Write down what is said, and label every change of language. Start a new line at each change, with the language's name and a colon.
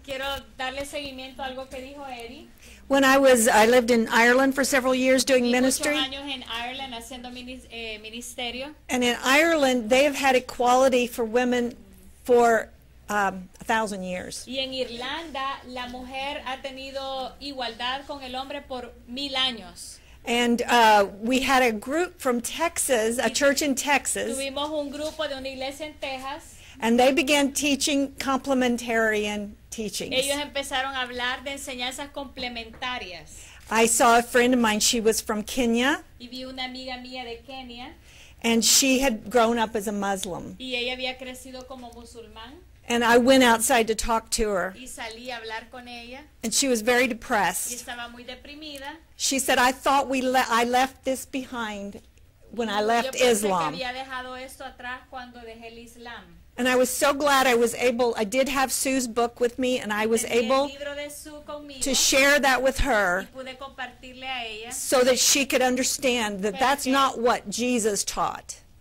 Spanish: Quiero darle seguimiento a algo que dijo Eddie.
English: When I lived in Ireland for several years doing ministry. And in Ireland, they have had equality for women for 1,000 years.
Spanish: Y en Irlanda, la mujer ha tenido igualdad con el hombre por 1,000 años.
English: And we had a group from Texas, a church in Texas.
Spanish: Tuvimos un grupo de una iglesia en Texas.
English: And they began teaching complementarian teachings.
Spanish: Ellos empezaron a hablar de enseñanzas complementarias.
English: I saw a friend of mine, she was from Kenya.
Spanish: Y vi una amiga mía de Kenia.
English: And she had grown up as a Muslim.
Spanish: Y ella había crecido como musulmán.
English: And I went outside to talk to her.
Spanish: Y salí a hablar con ella.
English: And she was very depressed.
Spanish: Y estaba muy deprimida.
English: She said, I thought I left this behind when I left Islam.
Spanish: Yo pensé que había dejado esto atrás cuando dejé el Islam.
English: And I was so glad I was able, I did have Sue's book with me, and I was able to share that with her so that she could understand that that's not what Jesus taught.